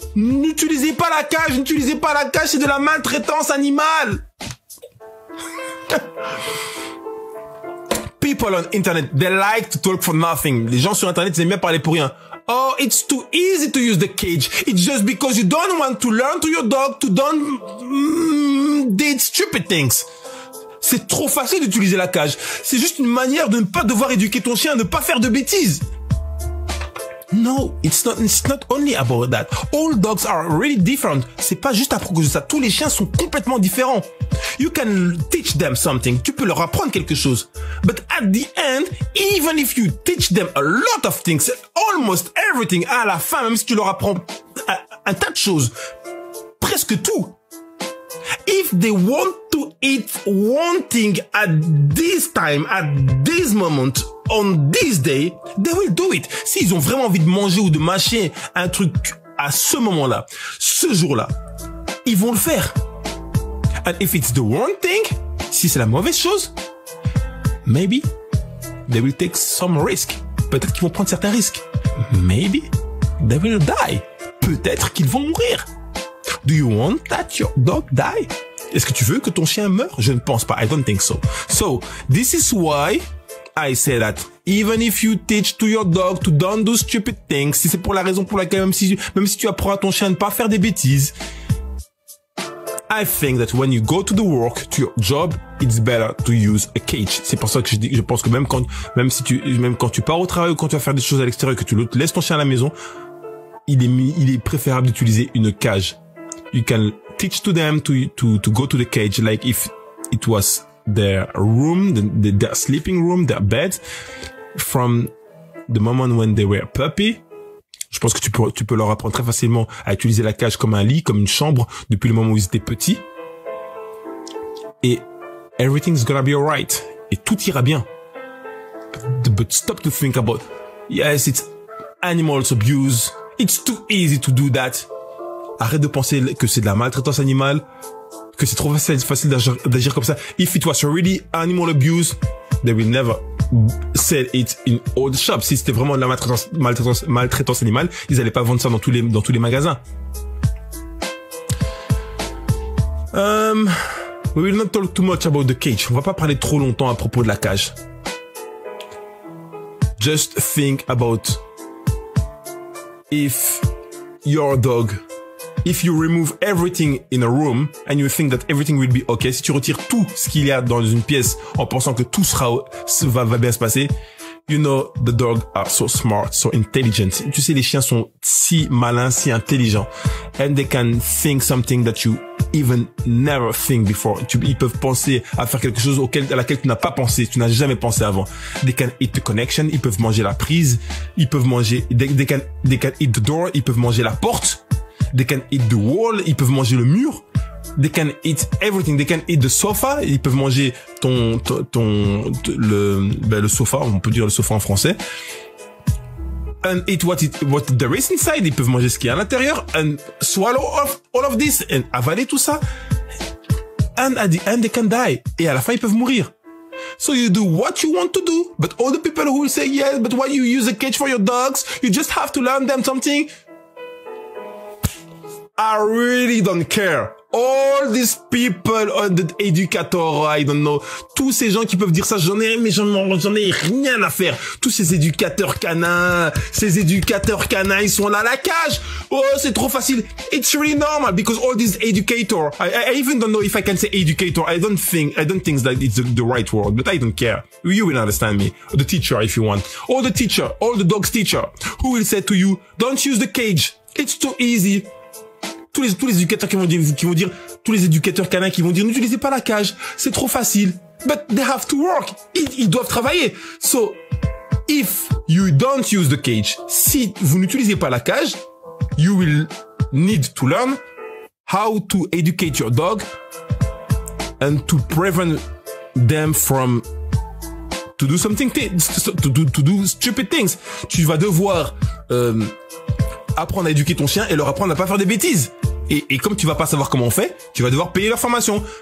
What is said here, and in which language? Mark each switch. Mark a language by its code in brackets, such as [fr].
[fr] N'utilisez pas la cage, n'utilisez pas la cage, c'est de la maltraitance animale. [en] People on internet, they like to talk for nothing. [fr] Les gens sur internet, ils aiment bien parler pour rien. [en] Oh, it's too easy to use the cage. It's just because you don't want to learn to your dog to don't did stupid things. [fr] C'est trop facile d'utiliser la cage. C'est juste une manière de ne pas devoir éduquer ton chien à ne pas faire de bêtises. [en] No, it's not only about that. All dogs are really different. [fr] C'est pas juste à propos de ça. Tous les chiens sont complètement différents. [en] You can teach them something. [fr] Tu peux leur apprendre quelque chose. [en] But at the end, even if you teach them a lot of things, almost everything, [fr] à la fin, même si tu leur apprends un tas de choses, presque tout, [en] if they want to eat one thing at this time, at this moment, on this day, they will do it. [fr] S'ils ont vraiment envie de manger ou de mâcher un truc à ce moment-là, ce jour-là, ils vont le faire. [en] And if it's the wrong thing, [fr] si c'est la mauvaise chose, [en] maybe they will take some risk. [fr] Peut-être qu'ils vont prendre certains risques. [en] Maybe they will die. [fr] Peut-être qu'ils vont mourir. [en] Do you want that your dog die? [fr] Est-ce que tu veux que ton chien meure? Je ne pense pas. [en] I don't think so. So, this is why I say that even if you teach to your dog to don't do stupid things, [fr] si c'est pour la raison pour laquelle même si tu apprends à ton chien à ne pas faire des bêtises, [en] I think that when you go to the work, to your job, it's better to use a cage. [fr] C'est pour ça que je pense que même quand tu pars au travail ou quand tu vas faire des choses à l'extérieur, que tu laisses ton chien à la maison, il est préférable d'utiliser une cage. [en] You can teach to them to go to the cage, like if it was their room, their sleeping room, their bed, from the moment when they were puppy. [fr] Je pense que tu peux leur apprendre très facilement à utiliser la cage comme un lit, comme une chambre, depuis le moment où ils étaient petits. Et [en] everything's gonna be alright. [fr] Et tout ira bien. [en] But stop to think about, yes, it's animals abuse. It's too easy to do that. [fr] Arrête de penser que c'est de la maltraitance animale, que c'est trop facile d'agir comme ça. [en] If it was really animal abuse, they will never sell it in all the shops. [fr] Si c'était vraiment de la maltraitance animale, ils n'allaient pas vendre ça dans tous les magasins. [en] We will not talk too much about the cage. [fr] On va pas parler trop longtemps à propos de la cage. [en] Just think about if your dog, if you remove everything in a room and you think that everything will be okay, [fr] si tu retires tout ce qu'il y a dans une pièce en pensant que tout va bien se passer, [en] you know the dogs are so smart, so intelligent. [fr] Tu sais, les chiens sont si malins, si intelligents, [en] and they can think something that you even never think before. [fr] Ils peuvent penser à faire quelque chose à laquelle tu n'as jamais pensé avant. [en] They can eat the connection, [fr] ils peuvent manger la prise, ils peuvent manger, [en] they can eat the door, [fr] ils peuvent manger la porte. [en] They can eat the wall, [fr] ils peuvent manger le mur. [en] They can eat everything. They can eat the sofa, [fr] ils peuvent manger le sofa, on peut dire le sofa en français. [en] And eat what there is inside, [fr] ils peuvent manger ce qu'il y a à l'intérieur. [en] And swallow all of this, and [fr] avaler tout ça. [en] And at the end, they can die. [fr] Et à la fin, ils peuvent mourir. [en] So you do what you want to do, but all the people who say yes, but why you use a cage for your dogs? You just have to learn them something. I really don't care. All these people on the educator, I don't know. [fr] Tous ces gens qui peuvent dire ça, j'en ai rien à faire. Tous ces éducateurs canins, ils sont là à la cage. Oh, c'est trop facile. [en] It's really normal because all these educators, I even don't know if I can say educator. I don't think that it's the right word, but I don't care. You will understand me. The teacher, if you want. All the dog's teacher, who will say to you, don't use the cage. It's too easy. [fr] Tous les éducateurs qui vont dire, tous les éducateurs canins qui vont dire, n'utilisez pas la cage, c'est trop facile. [en] But they have to work. [fr] Ils doivent travailler. [en] So, if you don't use the cage, [fr] si vous n'utilisez pas la cage, [en] you will need to learn how to educate your dog and to prevent them from to do something, to do stupid things. [fr] Tu vas devoir, apprendre à éduquer ton chien et leur apprendre à pas faire des bêtises. Et comme tu vas pas savoir comment on fait, tu vas devoir payer leur formation.